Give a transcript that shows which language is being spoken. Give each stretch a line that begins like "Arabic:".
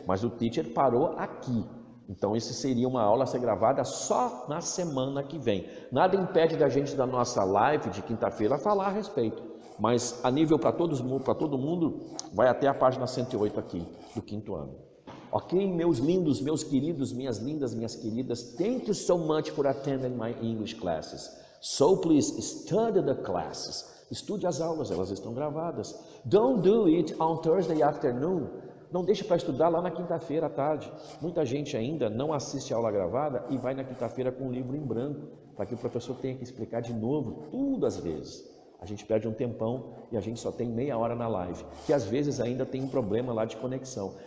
Portuguese: Mas o teacher parou aqui. Então, isso seria uma aula a ser gravada só na semana que vem. Nada impede da gente, da nossa live de quinta-feira, falar a respeito. Mas, a nível para todo mundo, vai até a página 108 aqui, do quinto ano. Ok, meus lindos, meus queridos, minhas lindas, minhas queridas?
English: Thank you so much for attending my English classes. So, please, study the classes.
Portuguese: Estude as aulas, elas estão gravadas.
English: Don't do it on Thursday afternoon.
Portuguese: Não deixe para estudar lá na quinta-feira à tarde. Muita gente ainda não assiste a aula gravada e vai na quinta-feira com o livro em branco, para que o professor tenha que explicar de novo tudo às vezes. A gente perde um tempão e a gente só tem meia hora na live, que às vezes ainda tem um problema lá de conexão.